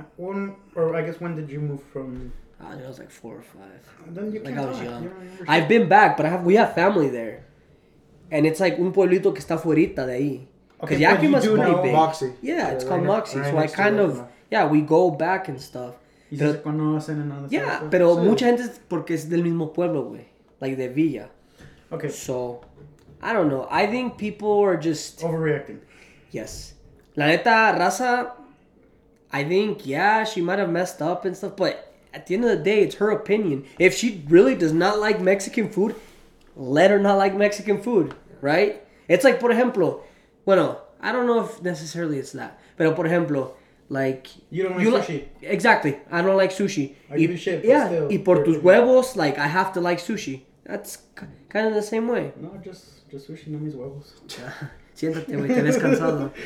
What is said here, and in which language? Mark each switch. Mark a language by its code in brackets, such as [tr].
[en] When, or I guess when did you move from? I think I was like 4 or 5. Then you like I was young. I've been back, but we have family there, and it's like [es] un pueblito que está fuerita de ahí. [en] Okay, but you do know Moxie. Yeah, it's called Moxie. So I kind of, we go back and stuff. [es] Y se conocen en otros. [en] Yeah, [es] pero mucha gente es porque es del mismo pueblo, güey. [en] Like, [es] de Villa. [en] Okay. So, I don't know. I think people are just... overreacting. Yes. [es] La neta, [en] Raza, I think, yeah, she might have messed up and stuff. But at the end of the day, it's her opinion. If she really does not like Mexican food, let her not like Mexican food, right? It's like, [es] por ejemplo... Bueno, [en] I don't know if necessarily it's that. [es] Pero, por ejemplo, [en] like... You don't like you sushi. Exactly. I don't like sushi. I give a shit, but still. [es] Y por tus huevos, [en] like, I have to like sushi. That's kind of the same way. No, just sushi, [es] no mis huevos. Siéntate, güey, te ves cansado.